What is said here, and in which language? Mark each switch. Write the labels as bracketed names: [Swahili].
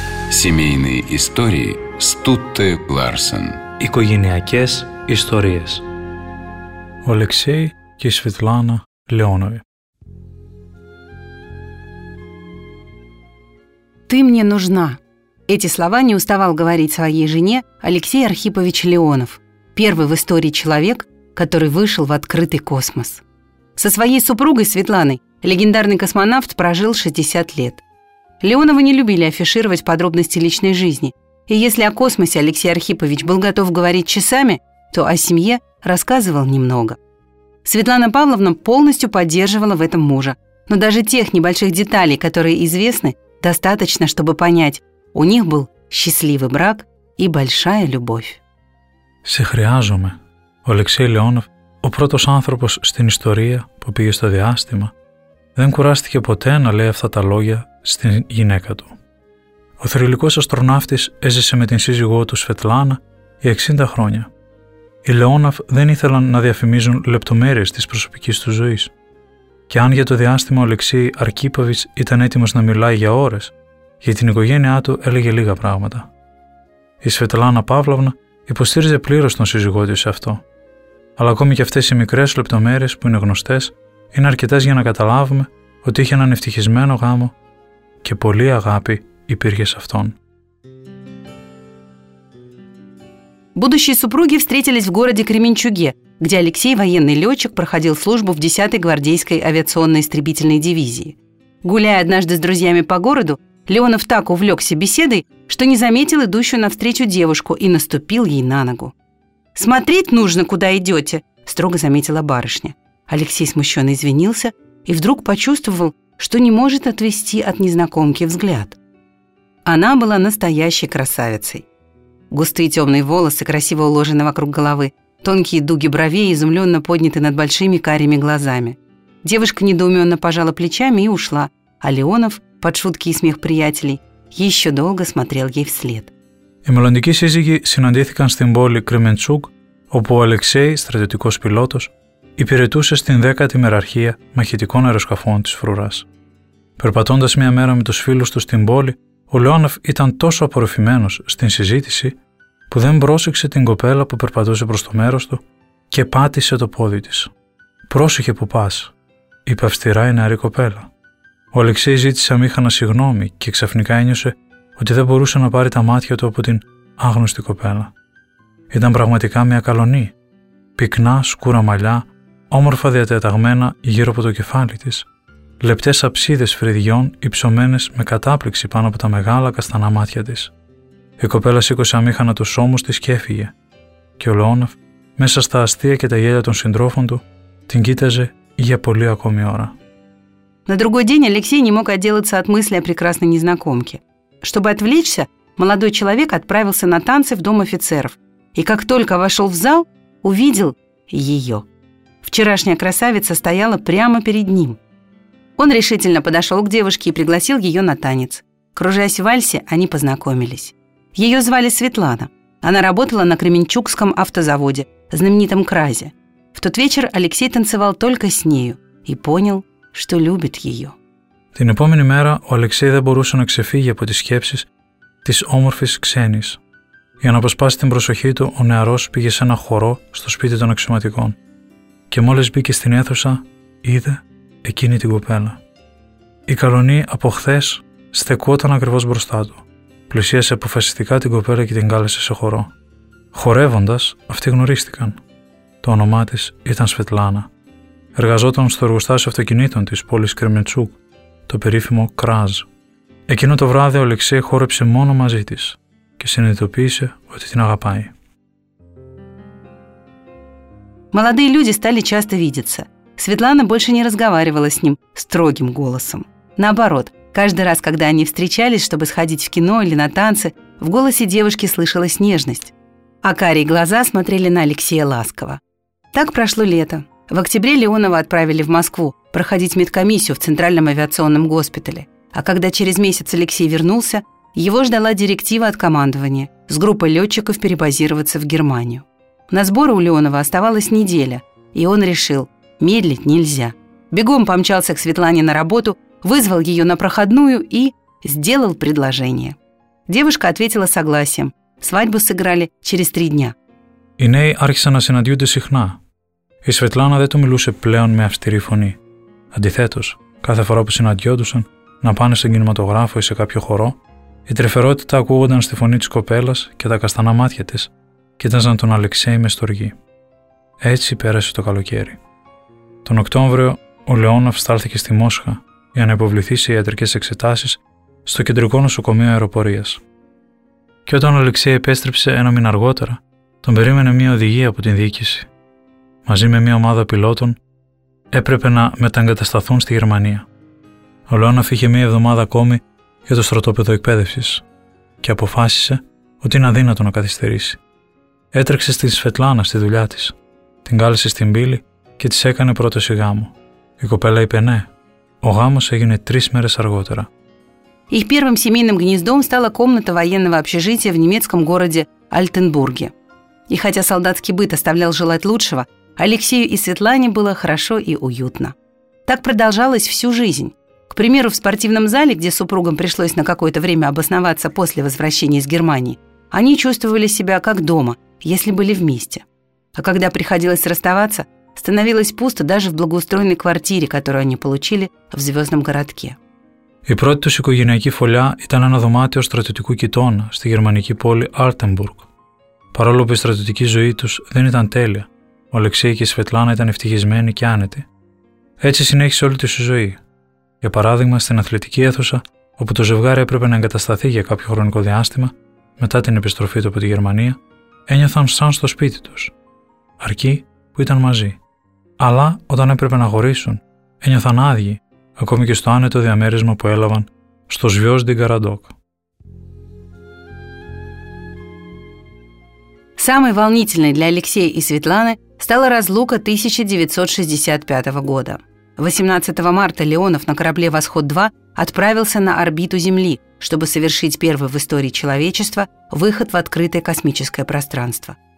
[Russian] Семейные истории Стутте Ларсен. [Greek] Οικογενειακές ιστορίες. Ο Αλεξέη και η Σβετλάνα Λεόνοβη. [Russian] «Ты мне нужна». Эти слова не уставал говорить своей жене Алексей Архипович Леонов, первый в истории человек, который вышел в открытый космос. Со своей супругой Светланой легендарный космонавт прожил 60 лет. Леонова не любили афишировать подробности личной жизни, и если о космосе Алексей Архипович был готов говорить часами, то о семье рассказывал немного. Светлана Павловна полностью поддерживала в этом мужа, но даже тех небольших деталей, которые известны, достаточно, чтобы понять, у них был счастливый брак и большая любовь. [Greek] «Се хряжуме». Ο Αλεξέη Λεόνοβ, ο πρώτος άνθρωπος στην ιστορία που πήγε στο διάστημα, δεν κουράστηκε ποτέ να λέει αυτά τα λόγια στην γυναίκα του. Ο θρυλικός αστροναύτης έζησε με την σύζυγό του Σβετλάνα για 60 χρόνια. Οι Λεόνοβ δεν ήθελαν να διαφημίζουν λεπτομέρειες της προσωπικής του ζωής. Και αν για το διάστημα ο Αλεξέη Αρχίποβιτς ήταν έτοιμος να μιλάει για ώρες, για την οικογένειά του έλεγε λίγα πράγματα. Η Σβετλάνα Παύλαυνα υποστήριζε πλήρως τον σύζυγό της σε αυτό. Αλλά ακόμη και αυτές οι μικρές λεπτομέρειες που είναι γνωστές είναι αρκετές για να καταλάβουμε ότι είχε έναν ευτυχισμένο γάμο και πολλή αγάπη υπήρχε σε αυτόν. [Russian] Будущие супруги встретились в городе Кременчуге, где Алексей, военный летчик, проходил службу в 10-й гвардейской авиационно-истребительной дивизии. Гуляя однажды с друзьями по городу, Леонов так увлекся беседой, что не заметил идущую навстречу девушку и наступил ей на ногу. «Смотреть нужно, куда идете», — строго заметила барышня. Алексей смущенно извинился и вдруг почувствовал, что не может отвести от незнакомки взгляд. Она была настоящей красавицей. Густые темные волосы, красиво уложены вокруг головы, тонкие дуги бровей изумленно подняты над большими карими глазами. Девушка недоуменно пожала плечами и ушла, а Леонов, под шутки и смех приятелей, еще долго смотрел ей вслед. [Greek] Οι μελλοντικοί σύζυγοι συναντήθηκαν στην πόλη Кременчуг, όπου ο Αλεξέη, στρατιωτικός πιλότος, υπηρετούσε στην 10η μεραρχία μαχητικών αεροσκαφών της Φρουράς. Περπατώντας μια μέρα με τους φίλους του στην πόλη, ο Λεόνοβ ήταν τόσο απορροφημένος στην συζήτηση που δεν πρόσεξε την κοπέλα που περπατούσε προς το μέρος του και πάτησε το πόδι της. «Πρόσεχε που πας», είπε αυστηρά η νεαρή κοπέλα. Ο Αλεξέη ζήτησε αμήχανα συγγνώμη και ξαφνικά ένιωσε ότι δεν μπορούσε να πάρει τα μάτια του από την άγνωστη κοπέλα. Ήταν πραγματικά μια καλονή. Πυκνά, σκούρα μαλλιά, όμορφα διατεταγμένα γύρω από το κεφάλι της. Λεπτές αψίδες φρυδιών υψωμένες με κατάπληξη πάνω από τα μεγάλα καστανά μάτια της. Η κοπέλα σήκωσε αμήχανα τους ώμους της και έφυγε. Και ο Λεόνοβ, μέσα στα αστεία και τα γέλια των συντρόφων του, την κοίταζε για πολύ ακόμη ώρα. [Russian] На другой день Алексей не мог отделаться от мысли о прекрасной незнакомке. Чтобы отвлечься, молодой человек отправился на танцы в дом офицеров и, как только вошел в зал, увидел ее. Вчерашняя красавица стояла прямо перед ним. Он решительно подошел к девушке и пригласил ее на танец. Кружась в вальсе, они познакомились. Ее звали Светлана. Она работала на Кременчугском автозаводе, знаменитом КРАЗе. В тот вечер Алексей танцевал только с нею и понял, что любит ее. [Greek] Την επόμενη μέρα ο Αλεξέη δεν μπορούσε να ξεφύγει από τις σκέψεις της όμορφης ξένης. Για να αποσπάσει την προσοχή του, ο νεαρός πήγε σε ένα χορό στο σπίτι των αξιωματικών. Και μόλις μπήκε στην αίθουσα, είδε εκείνη την κοπέλα. Η καλονή από χθες στεκόταν ακριβώς μπροστά του. Πλησίασε αποφασιστικά την κοπέλα και την κάλεσε σε χορό. Χορεύοντας, αυτοί γνωρίστηκαν. Το όνομά της ήταν Σβετλάνα. Εργαζόταν στο εργοστάσιο αυτοκινήτων της πόλης Κρεμεντσούκ, το περίφημο ΚΡΑΖ. Εκείνο το βράδυ ο Αλεξέη χόρεψε μόνο μαζί της και συνειδητοποίησε ότι την αγαπάει. [Russian] Молодые люди стали часто видеться. Светлана больше не разговаривала с ним строгим голосом. Наоборот, каждый раз, когда они встречались, чтобы сходить в кино или на танцы, в голосе девушки слышалась нежность. А карие глаза смотрели на Алексея ласково. Так прошло лето. В октябре Леонова отправили в Москву проходить медкомиссию в Центральном авиационном госпитале. А когда через месяц Алексей вернулся, его ждала директива от командования с группой летчиков перебазироваться в Германию. На сборы у Леонова оставалась неделя, и он решил, медлить нельзя. Бегом помчался к Светлане на работу, вызвал ее на проходную и сделал предложение. Девушка ответила согласием. Свадьбу сыграли через 3 дня. [Greek] Οι νέοι άρχισαν να συναντιούνται συχνά. Η Σβετλάνα δεν του μιλούσε πλέον με αυστηρή φωνή. Αντιθέτως, κάθε φορά που συναντιόντουσαν, να πάνε στον κινηματογράφο ή σε κάποιο χορό, η τρυφερότητα ακούγονταν στη φωνή της κοπέλας και τα καστανά μάτια της κοίταζαν τον Αλεξέη με στοργή. Έτσι πέρασε το καλοκαίρι. Τον Οκτώβριο, ο Λεόνοφ στάλθηκε στη Μόσχα για να υποβληθεί σε ιατρικές εξετάσεις στο κεντρικό νοσοκομείο αεροπορίας. Και όταν ο Αλεξέη επέστρεψε ένα μήνα αργότερα, τον περίμενε μια οδηγία από την διοίκηση. Μαζί με μια ομάδα πιλότων, έπρεπε να μεταγκατασταθούν στη Γερμανία. Ο Λεόνοφ είχε μια εβδομάδα ακόμη για το στρατόπεδο εκπαίδευσης και αποφάσισε ότι είναι αδύνατο να καθυστερήσει. Έτρεξε στη Σβετλάνα στη δουλειά της, την κάλεσε στην πύλη και της έκανε πρόταση γάμου. Η κοπέλα είπε ναι. Ο γάμος έγινε 3 μέρες αργότερα. [Russian] Их первым семейным гнездом стала комната военного общежития в немецком городе Альтенбурге. И хотя солдатский быт оставлял желать лучшего, Алексею и Светлане было хорошо и уютно. Так продолжалось всю жизнь. К примеру, в спортивном зале, где супругам пришлось на какое-то время обосноваться после возвращения из Германии, они чувствовали себя как дома, если были вместе. А когда приходилось расставаться, становилось пусто даже в благоустроенной квартире, которую они получили в звездном городке. [Greek] Η πρώτη τους οικογενειακή φωλιά ήταν ένα δωμάτιο στρατιωτικού κοιτώνα στη γερμανική πόλη Altenburg. Παρόλο που η στρατιωτική ζωή τους δεν ήταν τέλεια, ο Αλεξέη και η Σβετλάνα ήταν ευτυχισμένοι και άνετοι. Έτσι συνέχισε όλη τους η ζωή. Για παράδειγμα, στην αθλητική αίθουσα, όπου το ζευγάρι έπρεπε να εγκατασταθεί για κάποιο χρονικό διάστημα, μετά την επιστροφή του από τη Γερμανία, ένιωθαν σαν στο σπίτι τους. Αρκεί που ήταν μαζί. Αλλά όταν έπρεπε να χωρίσουν, ένιωθαν άδειοι, ακόμη και στο άνετο διαμέρισμα που έλαβαν στο Σβιόζντι Γκαραντόκ. [Russian] Самой волнительной для Алексея и Светланы стала разлука 1965 года. 18 марта Леонов на корабле «Восход-2» отправился на орбиту Земли, чтобы совершить первый в истории человечества выход в открытое космическое пространство.